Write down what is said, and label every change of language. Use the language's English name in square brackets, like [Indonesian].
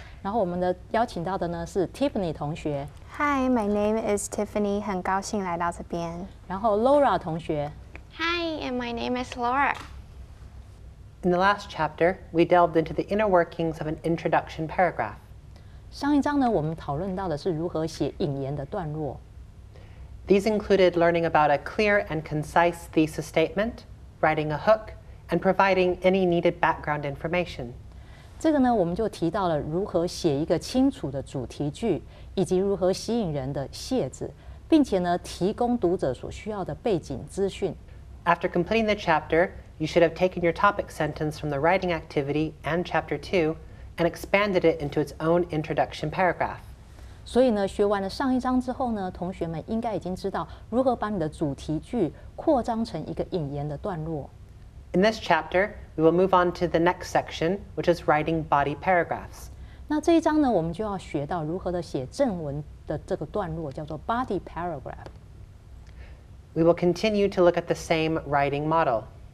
[Chinese] 然后我们的邀请到的呢是 Tiffany 同学。 [English] Hi, my name is Tiffany. [Chinese] 很高兴来到这边。然后 Laura 同学。 [English] Hi, and my name is Laura. In the last chapter, we delved into the inner workings of an introduction paragraph. [Chinese] 上一章呢，我们讨论到的是如何写引言的段落。 [English] These included learning about a clear and concise thesis statement, writing a hook, and providing any needed background information. [Chinese] 这个呢，我们就提到了如何写一个清楚的主题句，以及如何吸引人的谢字，并且呢，提供读者所需要的背景资讯。 [English] After completing the chapter,You should have taken your topic sentence from the writing activity and chapter 2 and expanded it into its own introduction paragraph. [Chinese] 所以呢，学完了上一章之后呢，同学们应该已经知道如何把你的主题句扩张成一个引言的段落。 [English] In this chapter, we will move on to the next section, which is writing body paragraphs. [Chinese] 那这一章呢，我们就要学到如何的写正文的这个段落，叫做 body paragraph. [English] We will continue to look at the same writing model.